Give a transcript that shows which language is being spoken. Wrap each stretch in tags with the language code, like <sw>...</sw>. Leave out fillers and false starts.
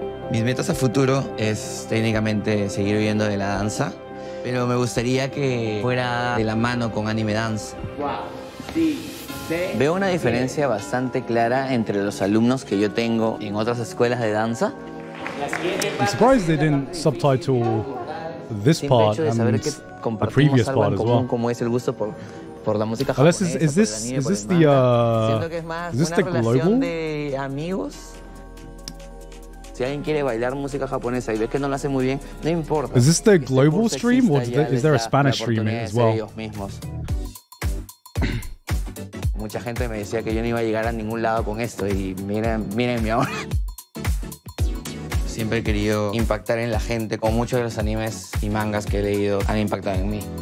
<es>Mis metas a futuro es técnicamente seguir viviendo de la danza, pero me gustaría que fuera de la mano con Anime Dance. Veo una diferencia bastante clara entre los alumnos que yo tengo en otras escuelas de danza.</es> <en>I'm surprised they didn't subtitle this part and the previous part as well.</en> <es>Como es el gusto por la música</es> <en>japonesa. Is this the global?</en> <es>Si alguien quiere bailar música japonesa y ves que no lo hace muy bien, no importa.</es> <en>Is this the global stream or is there a Spanish stream as well?</en> <es>Mucha gente me decía que yo no iba a llegar a ningún lado con esto y mírenme ahora. Siempre he querido impactar en la gente con muchos de los animes y mangas que he leído han impactado en mí.</es>